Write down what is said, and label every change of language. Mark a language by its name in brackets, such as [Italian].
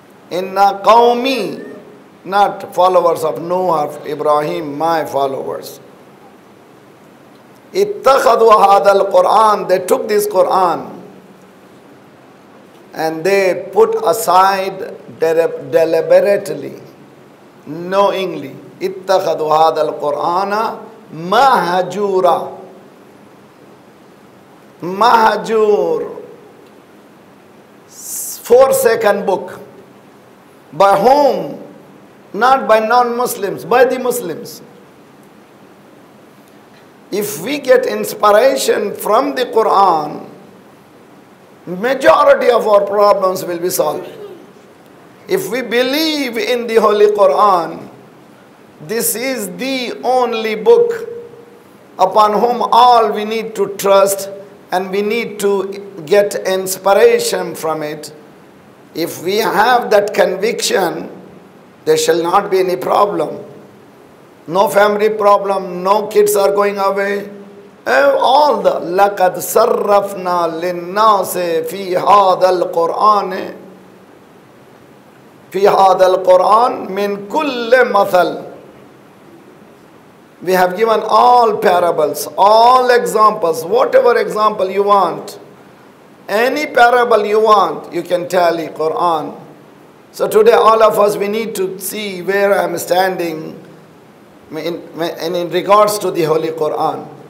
[Arabic] إِنَّا قَوْمِي, [English] not followers of Noah or Ibrahim, my followers. [Arabic] اتخذوا هذا القرآن, [English] they took this Quran and they put aside deliberately, knowingly. [Arabic] اتخذوا هذا القرآن مهجورا. [English] مهجور, forsaken book. By whom? Not by non-Muslims, by the Muslims. If we get inspiration from the Quran, majority of our problems will be solved. If we believe in the Holy Quran, this is the only book upon whom all we need to trust and we need to get inspiration from it. If we have that conviction, there shall not be any problem. No family problem, no kids are going away. All the [Arabic] لَقَدْ صَرَّفْنَا لِلنَّاسِ فِي هَذَا الْقُرْآنِ فِي هَذَا الْقُرْآنِ مِنْ كُلِّ مَثَلْ. [English] We have given all parables, all examples, whatever example you want. Any parable you want, you can tell the Quran. So today all of us, we need to see where I am standing. in regards to the Holy Quran.